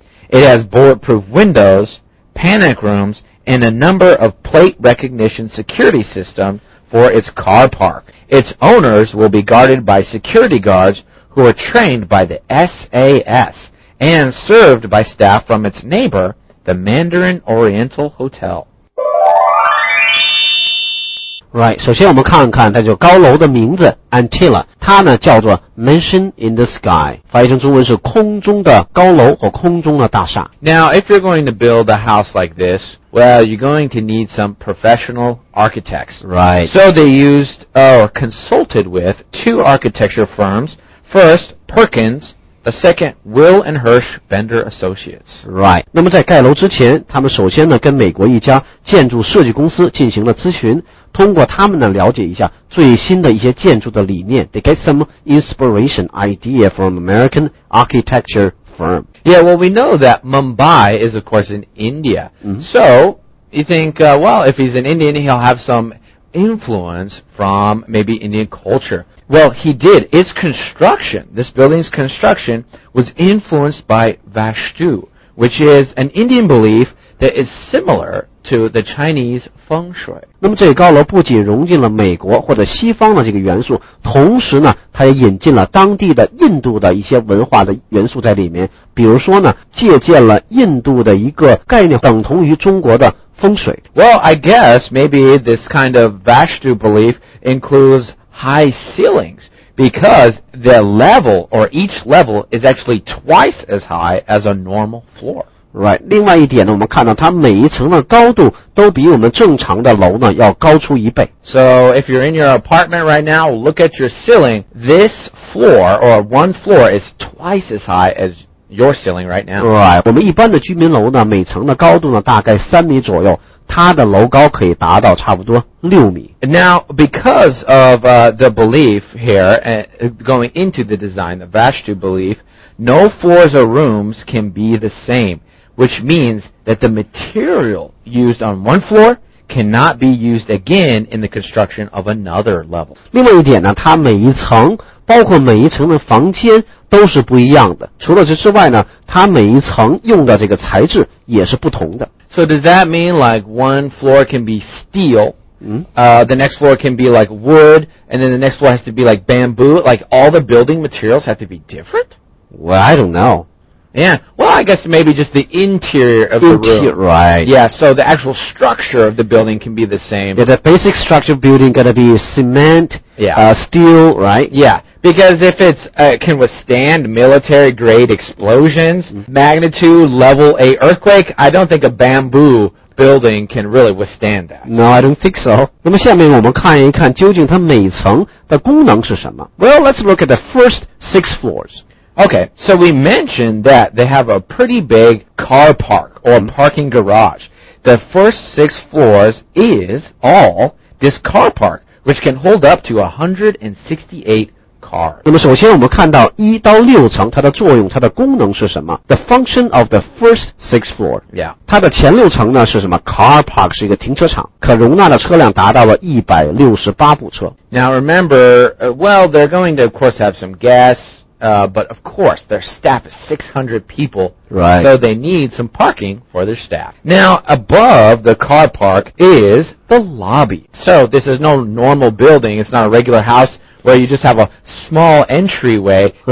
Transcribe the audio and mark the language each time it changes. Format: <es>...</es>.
<en>It has bulletproof windows, panic rooms, and a number of plate recognition security systems for its car park. Its owners will be guarded by security guards who are trained by the SAS and served by staff from its neighbor, the Mandarin Oriental Hotel.</en> <zh>Right, 首先我们看看它就高楼的名字 Antilla, 它呢叫做</zh> <en>Mansion in the Sky,</en> <zh>翻译成中文是空中的高楼或空中的大厦。</zh> <en>Now, if you're going to build a house like this, well, you're going to need some professional architects. Right. So they used or consulted with two architecture firms, first Perkins, the second Weil and Hirsch Bender Associates. Right.</en> <zh>那么在盖楼之前，他们首先呢跟美国一家建筑设计公司进行了咨询，通过他们呢了解一下最新的一些建筑的理念。</zh> <en>They get some inspiration idea from American architecture firm. Yeah, well, we know that Mumbai is, of course, in India. So, you think, well, if he's an Indian, he'll have some influence from maybe Indian culture. Well, he did. Its construction, this building's construction, was influenced by Vashtu, which is an Indian belief that is similar to the Chinese feng shui.</en> <zh>那么这高楼不仅融进了美国或者西方的这个元素，同时呢它也引进了当地的印度的一些文化的元素在里面，比如说呢借鉴了印度的一个概念等同于中国的风水。</zh> <en>Well, I guess maybe this kind of Vashtu belief includes high ceilings because the level or each level is actually twice as high as a normal floor. Right.</en> <zh>另外一点呢，我们看到它每一层的高度都比我们正常的楼呢要高出一倍。</zh> <en>So if you're in your apartment right now, look at your ceiling. This floor or one floor is twice as high as your ceiling right now. Right.</en> <zh>我们一般的居民楼呢，每层的高度呢大概三米左右。它的楼高可以达到差不多六米。</zh> <en>Now, because of the belief here, going into the design, the Vashtu belief, no floors or rooms can be the same, which means that the material used on one floor cannot be used again in the construction of another level.</en> <zh>另外一点呢，它每一层，包括每一层的房间都是不一样的。除了这之外呢，它每一层用的这个材质也是不同的。</zh> <en>So does that mean like one floor can be steel, the next floor can be like wood, and then the next floor has to be like bamboo, like all the building materials have to be different? Well, I don't know. Yeah, well, I guess maybe just the interior of the room. Right. Yeah, so the actual structure of the building can be the same. Yeah, the basic structure of building gonna be cement, steel, right? Yeah, because if it's, can withstand military grade explosions, magnitude, level 8 earthquake, I don't think a bamboo building can really withstand that. No, I don't think so.</en> <zh>那么下面我们看一看究竟它每层的功能是什么。</zh> <en>Well, let's look at the first 6 floors. Okay, so we mentioned that they have a pretty big car park or parking garage. The first 6 floors is all this car park, which can hold up to 168 cars.</en> <zh>那么首先我们看到1到6层它的作用它的功能是什么</zh> <en>The function of the first 6 floor. Yeah.</en> <zh>它的前6层呢是什么</zh> <en>Car park</en> <zh>是一个停车场可容纳的车辆达到了168部车</zh> <en>Now remember, well, they're going to of course have some gas,but of course, their staff is 600 people, right. So they need some parking for their staff. Now, above the car park is the lobby. So this is no normal building. It's not a regular house where you just have a small entryway. Mm-hmm.</en>